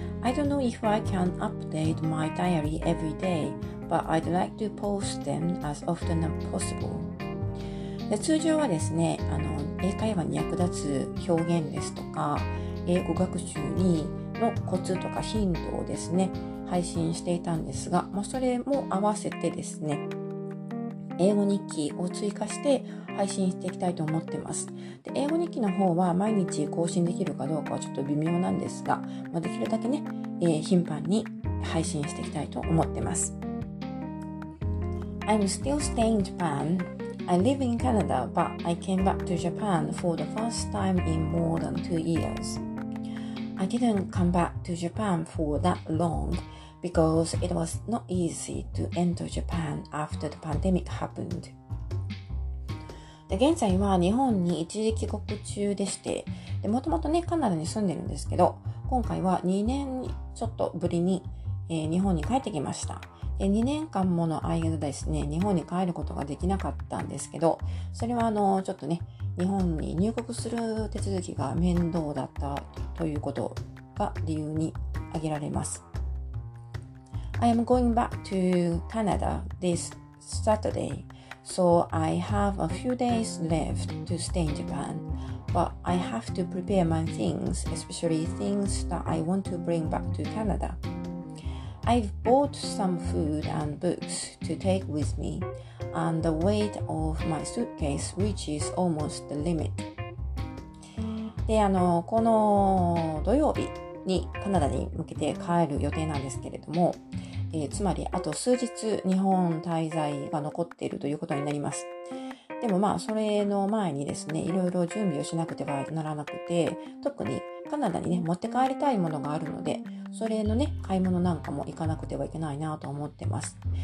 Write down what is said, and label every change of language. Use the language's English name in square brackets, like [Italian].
[English] I don't know if I can update my diary every day, but I'd like to post them as often as possible. [Japanese] で、通常はですね、英会話に役立つ表現ですとか、英語学習にのコツとかヒントをですね、配信していたんですが、まあ、それも合わせてですね、英語日記を追加して配信していきたいと思ってます。で、英語日記の方は毎日更新できるかどうかはちょっと微妙なんですが、まあ、できるだけね、頻繁に配信していきたいと思ってます。 [English] I'm still staying in Japan. I live in Canada, but I came back to Japan for the first time in more than 2 years. I didn't come back to Japan for that long because it was not easy to enter Japan after the pandemic happened. [Japanese] で、現在は日本に一時帰国中でして、で、もともとね、カナダに住んでるんですけど、今回は2年ちょっとぶりに、日本に帰ってきました。で、2年間もの間ですね、日本に帰ることができなかったんですけど、それはちょっとね、日本に入国する手続きが面倒だったということが理由に挙げられます。 [English] I am going back to Canada this Saturday, so I have a few days left to stay in Japan, but I have to prepare my things, especially things that I want to bring back to Canada. I've bought some food and books to take with me. And the weight of my suitcase reaches almost the limit. [Japanese] で、この土曜日にカナダに向けて帰る予定なんですけれども、つまりあと数日日本滞在が残っているということになります。でもまあ、それの前にですね、いろいろ準備をしなくてはならなくて、特にカナダにね、持って帰りたいものがあるので、それのね、買い物なんかも行かなくてはいけないなと思ってます。